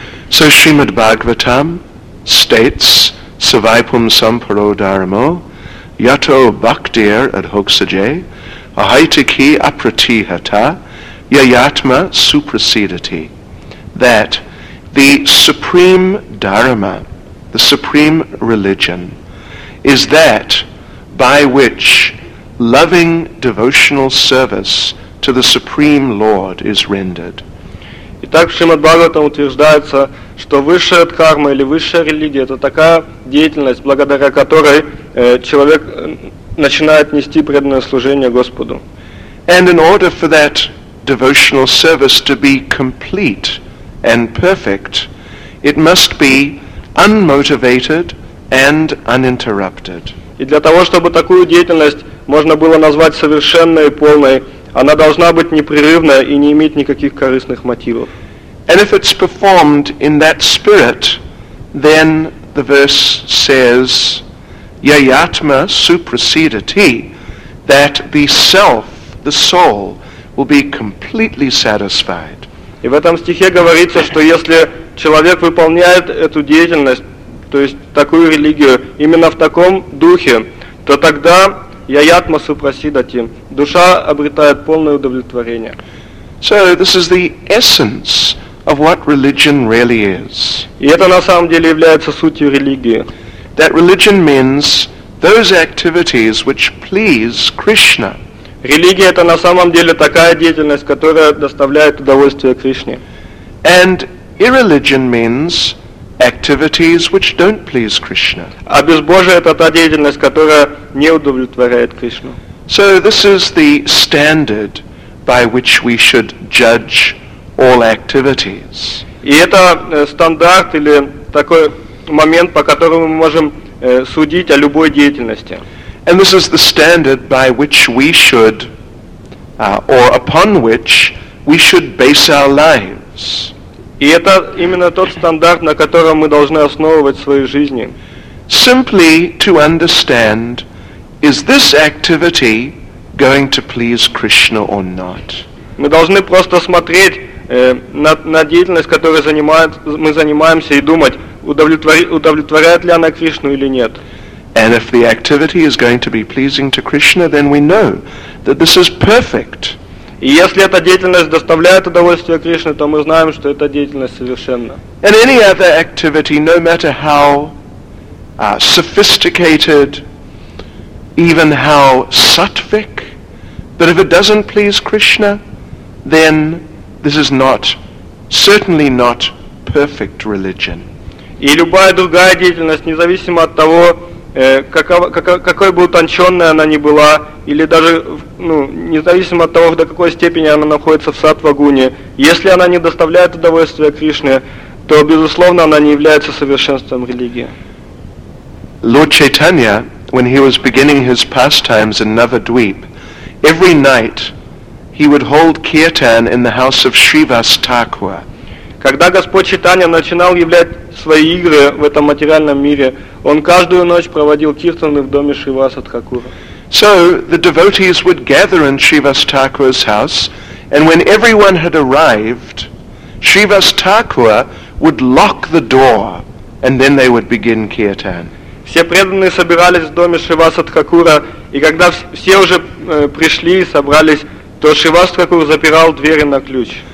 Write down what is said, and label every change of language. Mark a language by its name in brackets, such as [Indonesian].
[English] So Srimad Bhagavatam states, [Sanskrit] Savaipum Samparo Dharmo, Yato Bhaktir Adhoksaje, Ahaitiki Apratihata, Yayatma Supracedati, [English] that the supreme Dharma, the supreme religion, is that by which loving devotional service to the Supreme Lord is rendered. [Russian] Итак, в Шримад Бхагаватам утверждается, что высшая дхарма или высшая религия — это такая деятельность, благодаря которой человек начинает нести преданное служение Господу. [English] And in order for that devotional service to be complete and perfect, it must be unmotivated and uninterrupted. [Russian] И для того, чтобы такую деятельность можно было назвать совершенной и полной, она должна быть непрерывной и не иметь никаких корыстных мотивов. [English] And if it's performed in that spirit, then the verse says, [Sanskrit] Yayatma supracedati, [English] that the self, the soul, will be completely satisfied. [Russian] И в этом стихе говорится, что если человек выполняет эту деятельность, то есть такую религию, именно в таком духе, то тогда [Sanskrit] яятма супрасидати, [Russian] душа обретает полное удовлетворение. [English] So this is the essence of what religion really is. [Russian] И это на самом деле является сутью религии. [English] That religion means those activities which please Krishna. [Russian] Религия — это на самом деле такая деятельность, которая доставляет удовольствие Кришне. [English] And irreligion means activities which don't please Krishna. [Russian] А безбожие — это та деятельность, которая не удовлетворяет Кришну. [English] So this is the standard by which we should judge all activities. [Russian] И это стандарт или такой момент, по которому мы можем судить о любой деятельности. [English] And this is the standard by which we should, or upon which we should base our lives. [Russian] И это именно тот стандарт, на котором мы должны основывать свои жизни. [English] Simply to understand, is this activity going to please Krishna or not? [Russian] Мы должны просто смотреть на деятельность, которой мы занимаемся, и думать, удовлетворяет ли она Кришну или нет. [English] And if the activity is going to be pleasing to Krishna, then we know that this is perfect. [Russian] И если эта деятельность доставляет удовольствие Кришне, то мы знаем, что эта деятельность совершенна. [English] And any other activity, no matter how sophisticated, even how sattvic, but if it doesn't please Krishna, then this is not, certainly not perfect religion. [Russian] И любая другая деятельность, независимо от того, какой бы утонченной она ни была, или даже, ну, независимо от того, до какой степени она находится в сатва-гуне, если она не доставляет удовольствия Кришне, то, безусловно, она не является совершенством религии. [English] Lord Chaitanya, when he was beginning his pastimes in Navadweep, every night he would hold kirtan in the house of Shrivas Thakur. [Russian] Когда Господь Чайтанья начинал являть свои игры в этом материальном мире, он каждую ночь проводил киртаны в доме Шриваса Тхакура. [English] So the devotees would gather in Shrivas Thakura's house, and when everyone had arrived, Shrivas Thakura would lock the door, and then they would begin kirtan. [Russian] Все преданные собирались в доме Шива Садхакура, и когда все уже пришли и собрались, то Шива Садхакура запирал двери на ключ.